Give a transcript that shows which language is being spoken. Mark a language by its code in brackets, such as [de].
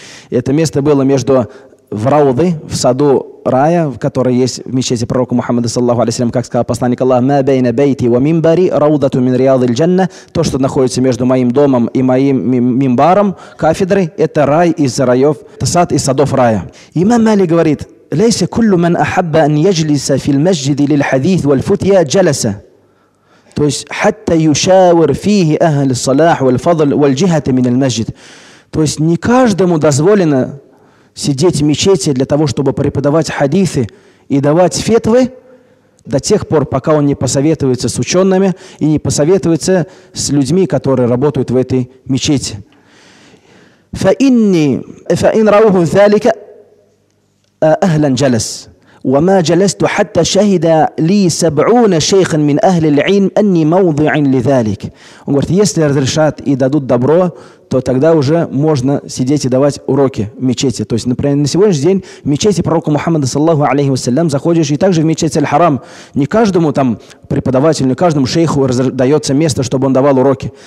[ru] Это место было между Раудой, в саду рая, который есть в мечети пророка Мухаммада, саллаллаху алейхи ва саллям, как сказал посланник Аллаха, [ar] «Ма бейна бейти ва мимбари, раудату мин риядиль джанна», [ru] то, что находится между моим домом и моим мимбаром, кафедрой, это рай из раев, это сад из садов рая. [ar] Имам Мали [ru] говорит, [ar] ليس كل من أحب أن يجلس في المسجد للحديث والفتية جلس. [ru] То есть [ar] حتى يشاور فيه أهل الصلاح والفضل والجهة من المسجد. [ru] То есть не каждому дозволено сидеть в мечети для того, чтобы преподавать хадисы и давать фетвы до тех пор, пока он не посоветуется с учеными и не посоветуется с людьми, которые работают в этой мечети. [ar] فإن رأوه ذلك أهلا جلس وما جلست حتى شهد لي 70 شيخا من أهل العلم أني موضع لذلك. [ru] Он говорит, если разрешат и дадут добро, то тогда уже можно сидеть и давать уроки в мечети. То есть, например, на сегодняшний день в мечети пророка Мухаммада, саллаху алейхи вассалям, заходишь, и также в мечеть Аль-Харам. Не каждому там преподавателю, не каждому шейху дается место, чтобы он давал уроки.